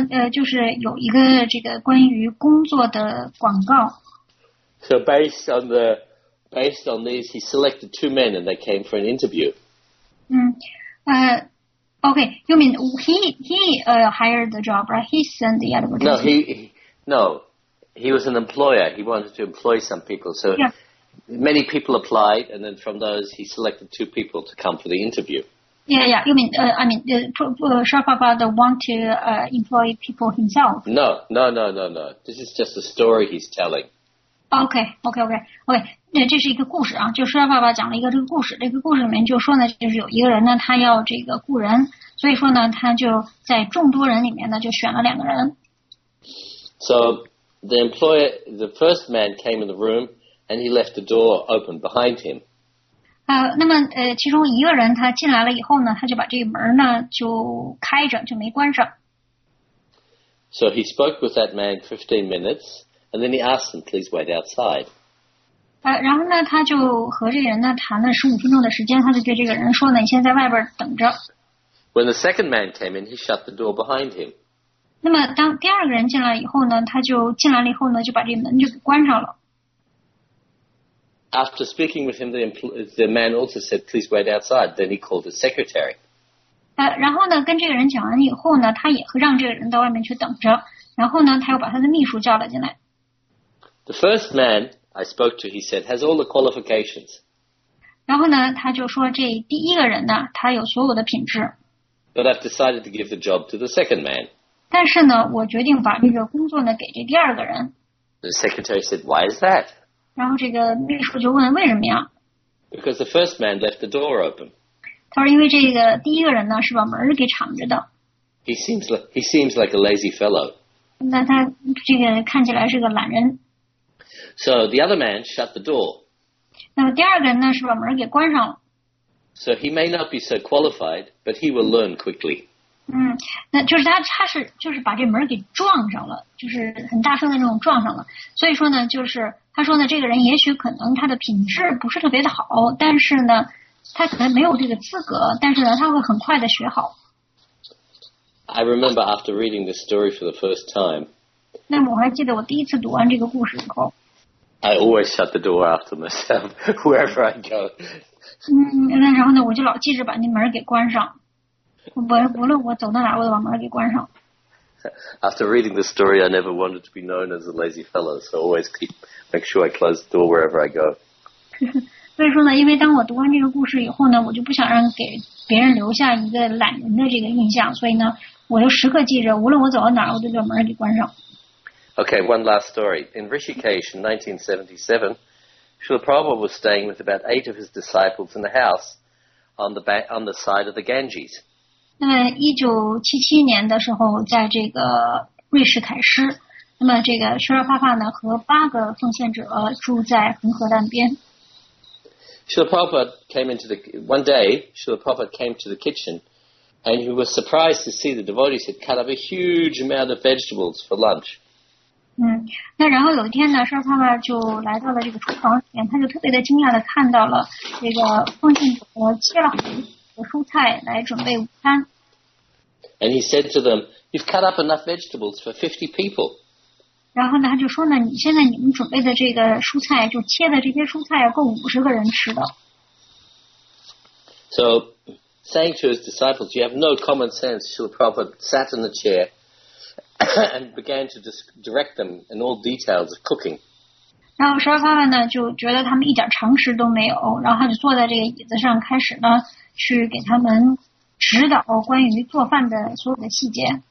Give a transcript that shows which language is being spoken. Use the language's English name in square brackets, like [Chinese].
[Chinese] 就是有一个这个关于工作的广告。 [English] So based on these, he selected two men and they came for an interview. Okay, you mean he hired the job, right? He sent the advertisement. No, he was an employer. He wanted to employ some people. So many people applied, and then from those, he selected two people to come for the interview. Srila Prabhupada want to employ people himself. No. This is just a story he's telling. Okay. [Chinese] 那这是一个故事啊，就是舍爸爸讲了一个这个故事。这个故事里面就说呢，就是有一个人呢，他要这个雇人，所以说呢，他就在众多人里面呢，就选了两个人。 [English] So the employer, the first man came in the room and he left the door open behind him. [Chinese] 其中一个人他进来了以后呢，他就把这个门呢就开着，就没关上。 [English] So he spoke with that man 15 minutes. And then he asked him, please wait outside. [Chinese] 然后呢他就和这个人呢谈了15分钟的时间，他就对这个人说呢，你现在在外边等着。 [English] When the second man came in, he shut the door behind him. [Chinese] 那么当第二个人进来以后呢，他就进来了以后呢，就把这门就给关上了。 [English] After speaking with him, the man also said, please wait outside. Then he called his secretary. [Chinese] 然后呢跟这个人讲完以后呢，他也会让这个人到外面去等着，然后呢他又把他的秘书叫了进来。 [English] The first man I spoke to, he said, has all the qualifications. [Chinese] 然后呢，他就说这第一个人呢，他有所有的品质。 [English] But I've decided to give the job to the second man. [Chinese] 但是呢，我决定把这个工作呢给这第二个人。 [English] The secretary said, "Why is that?" [Chinese] 然后这个秘书就问为什么呀 [English] ？Because the first man left the door open. [Chinese] 他说因为这个第一个人呢是把门给敞着的。 [English] He seems like a lazy fellow. [Chinese] 那他这个看起来是个懒人。 [English] So the other man shut the door. [Chinese] 那么第二个人呢，是把门给关上了。 [English] So he may not be so qualified, but he will learn quickly. [Chinese] 那就是他是就是把这门给撞上了，就是很大声的那种撞上了。所以说呢，就是他说呢，这个人也许可能他的品质不是特别的好，但是呢，他可能没有这个资格，但是呢，他会很快的学好。 [English] I remember after reading this story for the first time, [Chinese] 那我还记得我第一次读完这个故事以后。 [English] I always shut the door after myself wherever I go. [Chinese] 那然后呢，我就老记着把那门给关上。无论我走到哪儿，我都把门给关上。 [English] After reading the story, I never wanted to be known as a lazy fellow, so I always make sure I close the door wherever I go. [Chinese] 所以说呢，因为当我读完这个故事以后呢，我就不想让给别人留下一个懒人的这个印象，所以呢，我就时刻记着，无论我走到哪儿，我都把门给关上。 [English] Okay, one last story. In Rishikesh in 1977, Srila Prabhupada was staying with about 8 of his disciples in the house on the back, on the side of the Ganges. [Chinese] 那么1977年的时候，在这个瑞士凯诗，那么这个舍尔帕帕呢和八个奉献者住在恒河岸边。 [English] Srila Prabhupada came into the one day. Srila Prabhupada came to the kitchen, and he was surprised to see the devotees had cut up a huge amount of vegetables for lunch. [Chinese] 那然后有一天呢，舍尔帕帕就来到了这个厨房里面，他就特别的惊讶的看到了这个奉献者切了很多蔬菜来准备午餐。 [English] And he said to them, "You've cut up enough vegetables for 50 people." [Chinese] 然后呢，他就说呢，你们准备的这个蔬菜，就切的这些蔬菜，够50个人吃的。 [English] So, saying to his disciples, "You have no common sense," Srila Prabhupada sat in the chair. And began to direct them in all details of cooking. [Chinese] 然后舍尔帕帕呢就觉得他们一点常识都没有，然后他就坐在这个椅子上开始呢去给他们指导关于做饭的所有的细节。